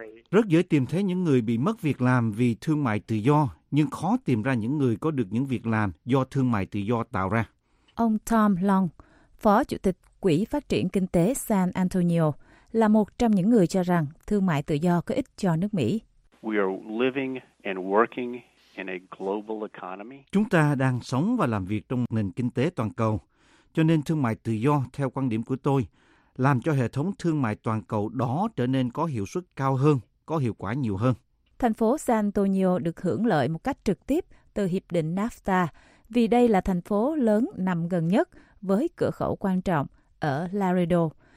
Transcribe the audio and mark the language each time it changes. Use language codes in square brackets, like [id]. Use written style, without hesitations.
[vi] Rất dễ tìm thấy những người bị mất việc làm vì thương mại tự do, nhưng khó tìm ra những người có được những việc làm do thương mại tự do tạo ra. Ông Tom Long, Phó Chủ tịch Quỹ Phát triển Kinh tế San Antonio, là một trong những người cho rằng thương mại tự do có ích cho nước Mỹ. [en] We are living and working in a global economy. [vi] Chúng ta đang sống và làm việc trong nền kinh tế toàn cầu, cho nên thương mại tự do, theo quan điểm của tôi, làm cho hệ thống thương mại toàn cầu đó trở nên có hiệu suất cao hơn, có hiệu quả nhiều hơn. Thành phố San Antonio được hưởng lợi một cách trực tiếp từ Hiệp định NAFTA, vì đây là thành phố lớn nằm gần nhất với cửa khẩu quan trọng ở Laredo.